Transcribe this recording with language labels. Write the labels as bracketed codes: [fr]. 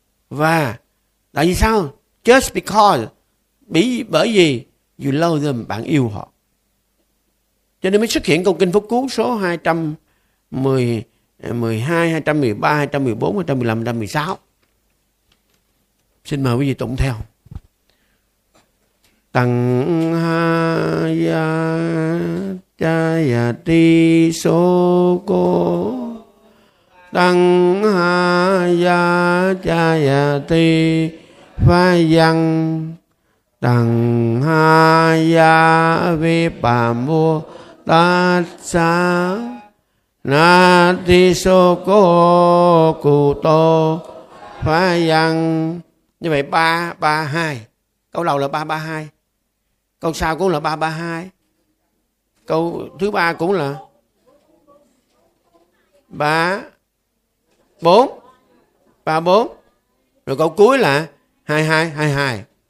[vi] Và tại vì sao? [en] Just because, [vi] bởi vì [en] you love them, [vi] bạn yêu họ, cho nên mới xuất hiện câu kinh Phúc Cú số 212, 213, 214, 215, 116. Xin mời quý vị tụng theo. [pi] Tăng ha ya cha ya ti so cô tăng ha ya cha ya ti pha văn tăng ha ya vi pa mô ta sa na ti so cô cụ tô [vi] Hoa văn như vậy 3 3 2, câu đầu là 3 3 2, câu sau cũng là 3 3 2, câu thứ ba cũng là 3 4 3 4, rồi câu cuối là 2 2 2 2.